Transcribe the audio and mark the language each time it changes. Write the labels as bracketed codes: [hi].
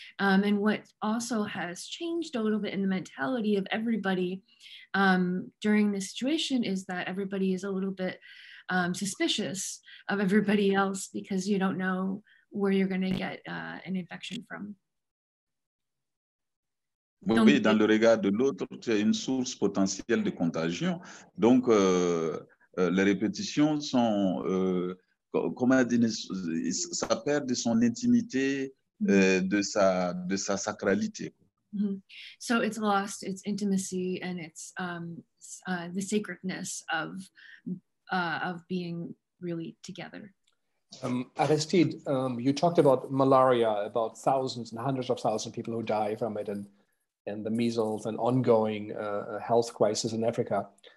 [en] And what also has changed a little bit in the mentality of everybody during this situation is that everybody is a little bit suspicious of everybody else because you don't know where you're going to get an infection from. [fr] Oui, donc, dans le regard de l'autre, tu as une source potentielle de contagion. Donc, les répétitions sont... Comment dire, ça perd de son intimité, de sa sacralité. Mm-hmm. [en] So it's lost its intimacy and its the sacredness of being really together. Aristide, you talked about malaria, about thousands and hundreds of thousands of people who die from it, and the measles and ongoing health crisis in Africa.